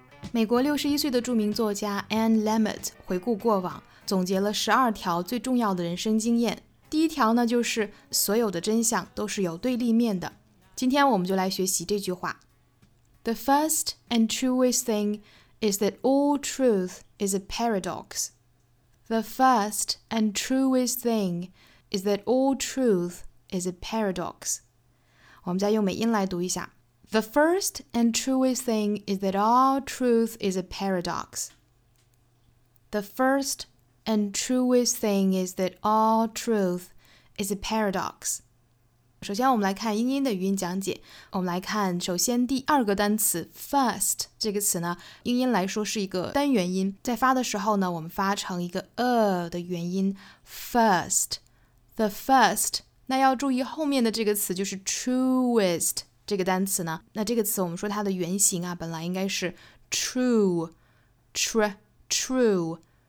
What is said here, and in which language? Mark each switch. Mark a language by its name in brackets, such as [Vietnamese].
[Chinese] 美国61岁的著名作家 Anne Lamott 回顾过往，总结了12条最重要的人生经验。第一条呢，就是所有的真相都是有对立面的。今天我们就来学习这句话。 [English] The first and truest thing is that all truth is a paradox. The first and truest thing is that all truth is a paradox. [Chinese] 我们再用美音来读一下。 [English] The first and truest thing is that all truth is a paradox. The first and truest thing is that all truth is a paradox. [Chinese] 首先我们来看英音的语音讲解。我们来看首先第二个单词 first 这个词呢，英音来说是一个单元音，在发的时候呢，我们发成一个的元音 [English] first, the first。 [Chinese] 那要注意后面的这个词就是 truest 这个单词呢，那这个词我们说它的原型啊，本来应该是 true